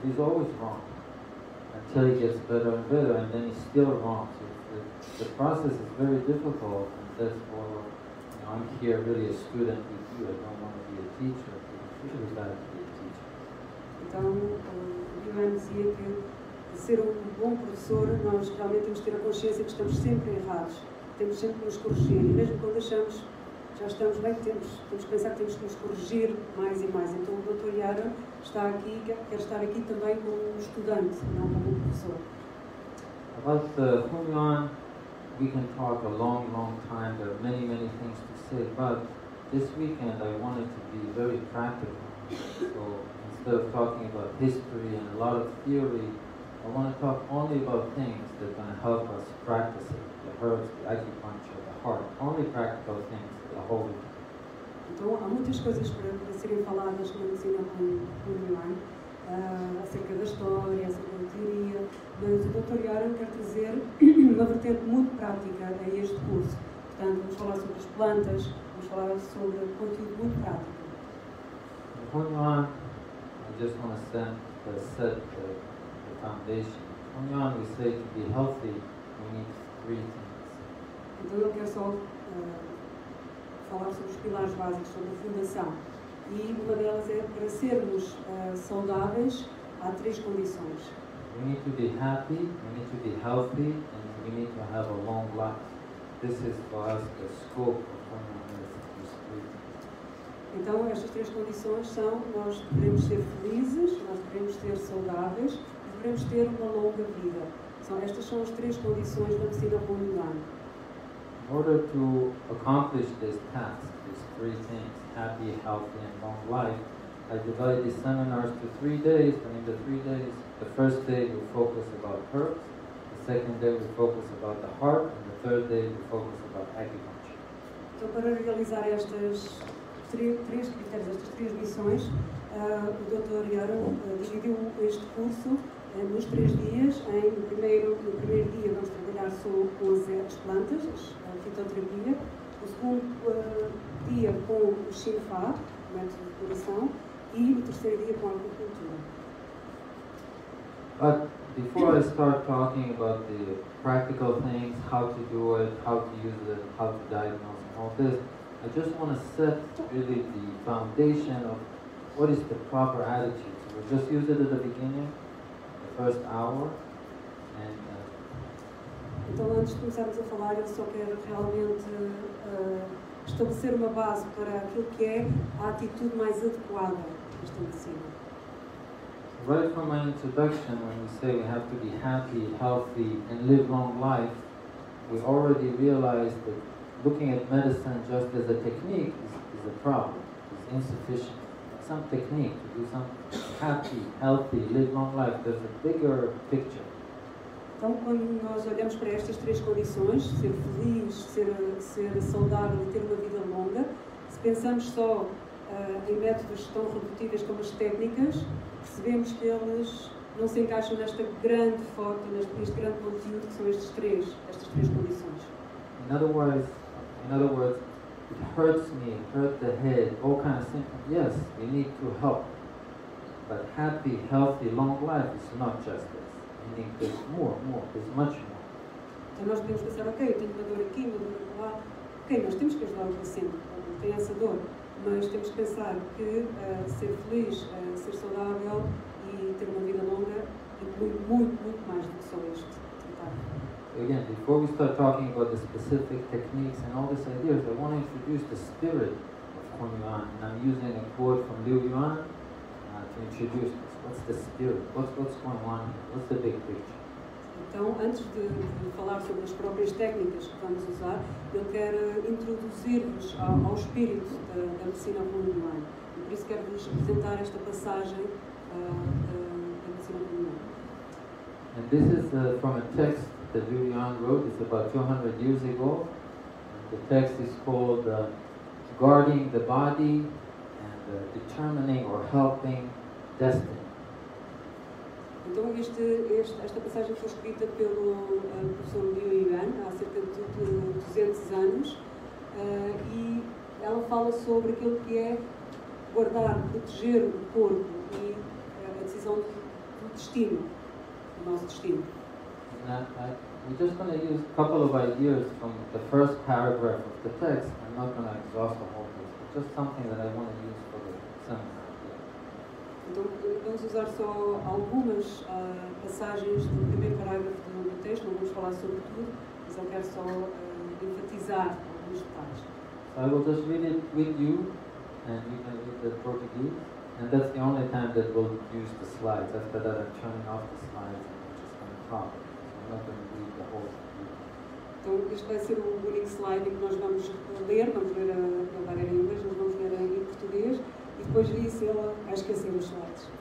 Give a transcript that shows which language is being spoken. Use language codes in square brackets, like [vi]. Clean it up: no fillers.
[en] He's always wrong until he gets better and better, and then he's still wrong. So the process is very difficult, and that's why, well, you know, I'm here really a student with you. I don't want to be a teacher. It's really bad to be a teacher. [pt] Ivan dizia que ser um bom professor, nós realmente temos que ter a consciência que estamos sempre errados. Temos sempre que nos corrigir. E mesmo quando achamos que já estamos bem, temos que pensar que temos que nos corrigir mais e mais. Então o Dr. Yara está aqui, quer estar aqui também como um estudante, não como um professor. [en] About Hunyuan, we can talk a long, long time. There are many, many things to say. But this weekend I wanted to be very practical. So, instead of talking about history and a lot of theory, I want to talk only about things that are going to help us practice it, the herbs, the acupuncture, the heart, only practical things, the whole thing. [pt] Então, há muitas coisas para serem faladas na medicina Hunyuan, acerca da história, acerca da teoria, mas o Dr. Yaren quer trazer uma vertente muito prática a este curso. Portanto, vamos falar sobre as plantas, vamos falar sobre conteúdo muito prático. [en] Hunyuan, I just want to set the foundation. Hunyuan, we say to be healthy, we need three things. [pt] Então, eu quero só falar sobre os pilares básicos, sobre a fundação. E uma delas é, para sermos saudáveis, há três condições. [en] We need to be happy, we need to be healthy, and we need to have a long life. This is for us the scope of Hunyuan. [pt] Então, estas três condições são: nós devemos ser felizes, nós devemos ser saudáveis e devemos ter uma longa vida. São, estas são as três condições da medicina Hunyuan. [en] In order to accomplish this task, these three things, happy, healthy and long life, I divide these seminars to 3 days, and in the 3 days, the first day we focus about herbs, the second day we focus about the heart, and the third day we focus about acupuncture. [pt] Então, para realizar estas três critérios, estas três missões, o Dr. Yara dividiu este curso nos três dias. No primeiro dia vamos trabalhar só com as plantas, a fitoterapia. No segundo dia com o Xinfa, o método de curação. E no terceiro dia com a agricultura. [en] Before I start talking about the practical things, how to do it, how to use it, how to diagnose and all this, I just want to set really the foundation of what is the proper attitude. So we'll just use it at the beginning, the first hour, and... [pt] Então, antes de começarmos a falar, eu só quero realmente estabelecer uma base para aquilo que é a atitude mais adequada, estabelecida. [en] Right from my introduction, when we say we have to be happy, healthy, and live long life, we already realized that looking at medicine just as a technique is a problem, is insufficient. Some technique to do something happy, healthy, live long life, there's a bigger picture. [pt] Então, quando nós olhamos para estas três condições, ser feliz, ser saudável e ter uma vida longa, se pensamos só em métodos tão repetidos como as técnicas, percebemos que eles não se encaixam nesta grande foto, neste grande conteúdo que são estas três condições. [en] In other words, it hurts me, hurt the head, all kinds of symptoms. Yes, we need to help. But happy, healthy, long life is not just this. We need this more, there's much more. [pt] Então nós podemos pensar, ok, eu tenho uma dor aqui, uma dor lá. Ok, nós temos que ajudar o paciente, tem essa dor. Mas temos que pensar que ser feliz, ser saudável e ter uma vida longa inclui muito mais do que só este tratamento. [en] Again, before we start talking about the specific techniques and all these ideas, I want to introduce the spirit of Kuan Yuan. And I'm using a quote from Liu Yuan to introduce this. What's the spirit? What's Kuan Yuan? What's the big picture? [pt] Então, antes de falar sobre as próprias técnicas que vamos usar, eu quero introduzir-vos ao espírito da medicina Kuan Yuan. Por isso quero-vos apresentar esta passagem da medicina Kuan Yuan. [en] And this is from a text that Liu Yuan wrote. It's about 200 years ago. The text is called Guarding the Body and Determining or Helping Destiny. [pt] Então, esta passagem foi escrita pelo professor Liu Yuan há cerca de 200 anos e ela fala sobre aquilo que é guardar, proteger o corpo e a decisão do destino, do nosso destino. [en] I'm just going to use a couple of ideas from the first paragraph of the text. I'm not going to exhaust the whole text, but just something that I want to use for the seminar. [pt] Então, vamos usar só algumas passagens do primeiro parágrafo do texto, não vamos falar sobre tudo, mas eu quero só enfatizar alguns detalhes. [en] So I will just read it with you, and you can read the Portuguese, and that's the only time that we'll use the slides. After that, I'm turning off the slides and I'm just going to talk. So I'm not going to read the whole thing. [pt] Então, este vai ser o único slide que nós vamos ler, vamos ler a barreira em inglês, mas vamos ler em português. E depois disso ela vai esquecer os slides.